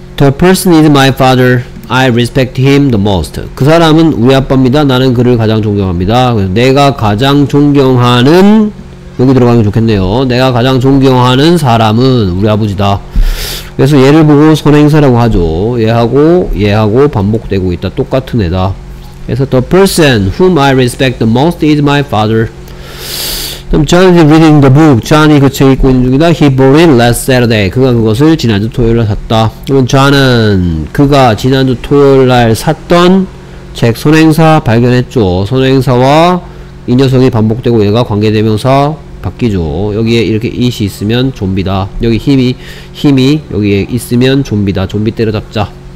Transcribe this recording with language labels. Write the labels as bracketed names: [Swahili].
[English] The person is my father. I respect him the most. [Korean] 그 사람은 우리 아빠입니다. 나는 그를 가장 존경합니다. 그래서 내가 가장 존경하는, 여기 들어가면 좋겠네요. 내가 가장 존경하는 사람은 우리 아버지다. 그래서 얘를 보고 선행사라고 하죠. 얘하고 얘하고 반복되고 있다. 똑같은 애다. [English] 그래서 the person whom I respect the most is my father. 그럼 John is reading the book. [Korean] John이 그 책 읽고 있는 중이다. [English] He bought it last Saturday. [Korean] 그가 그것을 지난주 토요일날 샀다. 그럼 John은 그가 지난주 토요일날 샀던 책 선행사 발견했죠. 선행사와 이 녀석이 반복되고 얘가 관계대명사 바뀌죠. 여기에 이렇게 it이 있으면 좀비다. 여기 힘이 여기에 있으면 좀비다. 좀비 때려잡자.